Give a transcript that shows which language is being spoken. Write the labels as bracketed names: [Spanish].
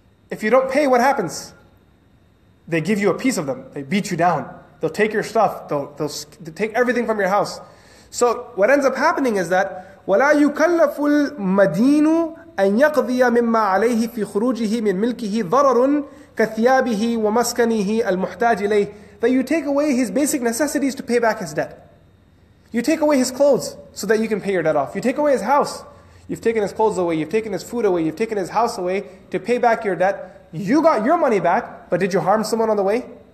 [English] If you don't pay, what happens? They give you a piece of them. They beat you down. They'll take your stuff. They'll take everything from your house. So what ends up happening is that [Arabic] وَلَا يُكَلَّفُ الْمَدِينُ أَنْ يَقْضِيَ مِمَّا عَلَيْهِ فِي خُرُوجِهِ مِنْ مِلْكِهِ ضَرَرٌ كَثِيَابِهِ وَمَسْكَنِهِ الْمُحْتَاجِ إِلَيْهِ. [English] That you take away his basic necessities to pay back his debt. You take away his clothes so that you can pay your debt off. You take away his house. You've taken his clothes away. You've taken his food away. You've taken his house away to pay back your debt. You got your money back, but did you harm someone on the way?